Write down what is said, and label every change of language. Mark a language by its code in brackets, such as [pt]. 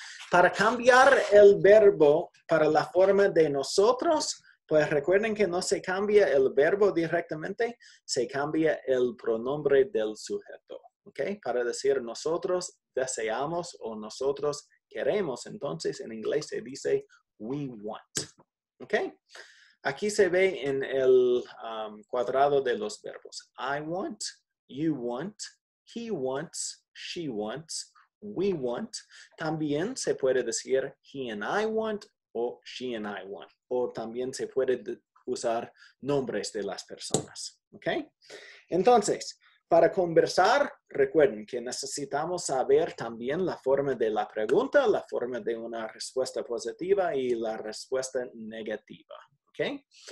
[es] Para cambiar el verbo para la forma de nosotros, pues recuerden que no se cambia el verbo directamente, se cambia el pronombre del sujeto, ¿ok? Para decir nosotros deseamos o nosotros queremos. Entonces, en inglés se dice [en] we want. [es] Okay. Aquí se ve en el cuadrado de los verbos. [en] I want, you want, he wants, she wants, we want. [es] También se puede decir [en] he and I want [es] o [en] she and I want. [es] O también se puede usar nombres de las personas. Okay. Entonces, para conversar, recuerden que necesitamos saber también la forma de la pregunta, la forma de una respuesta positiva y la respuesta negativa. Okay.